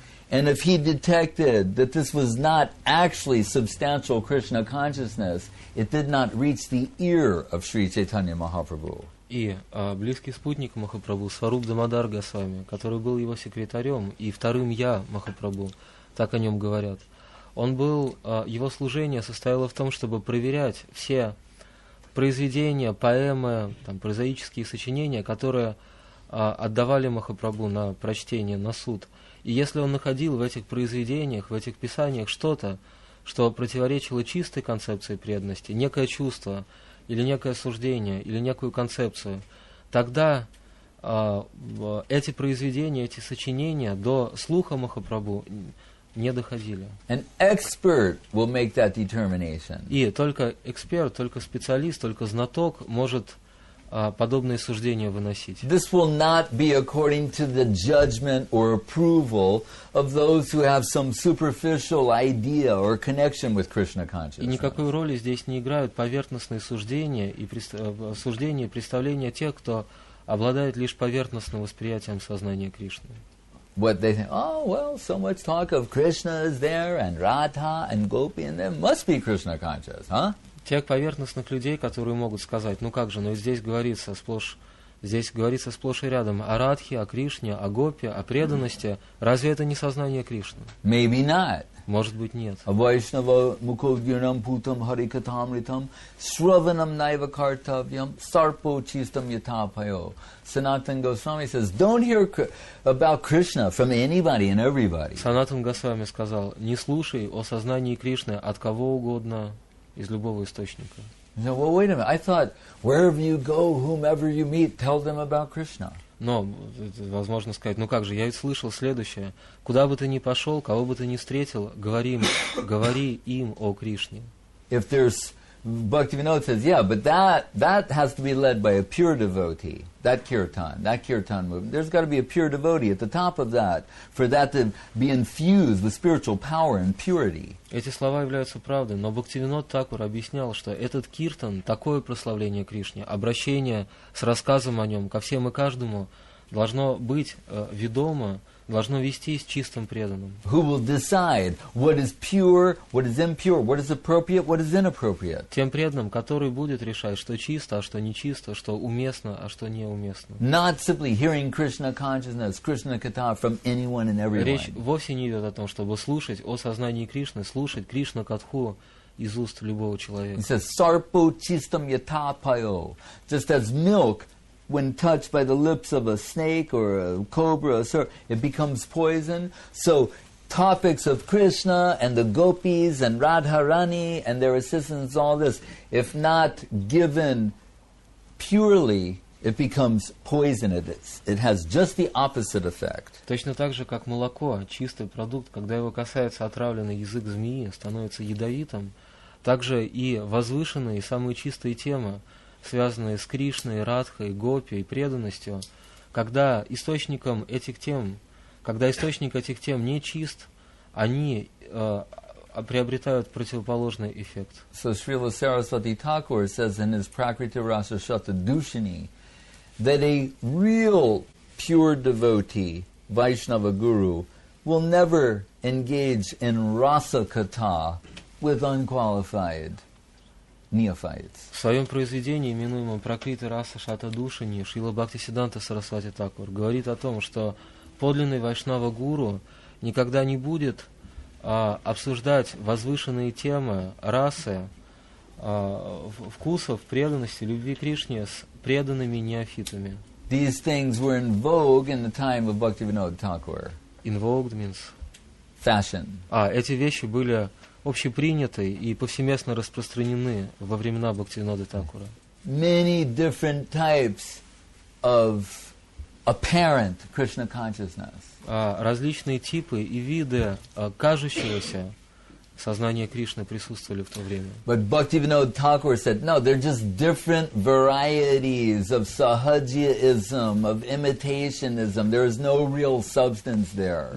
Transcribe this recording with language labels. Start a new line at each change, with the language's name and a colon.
English: And if he detected that this was not actually substantial Krishna consciousness, it did not reach the ear of Sri Chaitanya Mahaprabhu.
Russian: И близкий спутник Махапрабху, Сваруп Дамодар Госвами, который был его секретарем и вторым я Махапрабху, так о нем говорят, он был, его служение состояло в том, чтобы проверять все произведения, поэмы, там, прозаические сочинения, которые отдавали Махапрабху на прочтение, на суд. И если он находил в этих произведениях, в этих писаниях что-то, что противоречило чистой концепции преданности, некое чувство, или некое суждение, или некую концепцию, тогда эти произведения, эти сочинения до слуха Махапрабху не доходили.
English: An expert will make that determination.
Russian: И только эксперт, только специалист, только знаток может подобные суждения выносить.
English: This will not be according to the judgment or approval of those who have some superficial idea or connection with Krishna consciousness.
Russian: И никакой роли здесь не играют поверхностные суждения и суждения, представления тех, кто обладает лишь поверхностным восприятием сознания Кришны.
English: What they think, oh, well, so much talk of Krishna is there, and Radha, and Gopi, and there must be Krishna conscious, huh?
Russian: Тех поверхностных людей, которые могут сказать, ну как же, но ну здесь говорится сплошь и рядом о Радхе, о Кришне, о Гопе, о преданности. Разве это не сознание Кришны?
English: Maybe not.
Russian: Может быть, нет.
Sanskrit: Вайшнава мукхогирнам путам харикатамритам сраванам наива картавьям сарпо чистам ятапайо.
English: Санатан Госвами says, don't hear about Krishna from anybody and everybody.
Russian: Санатан Госвами сказал, не слушай о сознании Кришны от кого угодно, из любого источника.
English: No, well, wait a minute. I thought, wherever you go, whomever you meet, tell them about Krishna.
Russian: Но, возможно, сказать, ну как же, я ведь слышал следующее. Куда бы ты ни пошел, кого бы ты ни встретил, говори им о Кришне.
English: If there's Bhaktivinoda says, yeah, but that has to be led by a pure devotee, that kirtan movement. There's got to be a pure devotee at the top of that for that to be infused with spiritual power and purity.
Russian: Эти слова являются правдой, но Бхактивинод Такур объяснял, что этот киртан, такое прославление Кришне, обращение с рассказом о нем ко всем и каждому, должно быть ведомо должно вестись чистым преданным.
English: Who will decide what is pure, what is impure, what is appropriate, what is inappropriate?
Russian: Тем преданным, который будет решать, что чисто, а что нечисто, что уместно, а что неуместно.
English: Not simply hearing Krishna consciousness, Krishna katha from anyone and everyone.
Russian: Речь вовсе не идет о том, чтобы слушать о сознании Кришны, слушать Кришна катху из уст любого человека.
English: It says
Sanskrit: sarpo chistam yatha payo,
English: just as milk. When touched by the lips of a snake or a cobra, or it becomes poison. So, topics of Krishna and the gopis and Radharani and their assistants, all this, if not given purely, it becomes poison. It has just the opposite effect.
Russian: Точно так же, как молоко, чистый продукт, когда его касается отравленный язык змеи, становится ядовитым, также и возвышенные, самые чистые темы, связанные с Кришной, Радхой, Гопи и преданностью, когда источник этих тем не чист, они приобретают противоположный эффект.
English: So Srila Saraswati Thakur says in his Prakriti Rasa Shata Dushini that a real pure devotee, Vaishnava Guru, will never engage in rasa katha with unqualified neophytes.
Russian: В своем произведении, именуемом «Пракрита Раса Шата Душини», Шрила Бхактисиддханта Сарасвати Такур говорит о том, что подлинный вайшнава гуру никогда не будет обсуждать возвышенные темы расы, вкусов, преданности, любви Кришне с преданными неофитами.
English: These things were in vogue in the time of Bhaktivinoda Thakur. In vogue means fashion.
Russian: Эти вещи были общеприняты и повсеместно распространены во времена Бхактивинода Такура.
English: Many different types of apparent Krishna consciousness.
Russian: Различные типы и виды кажущегося сознания Кришны присутствовали в то время.
English: But Bhaktivinoda Thakur said, no, they're just different varieties of sahajyaism, of imitationism. There is no real substance there.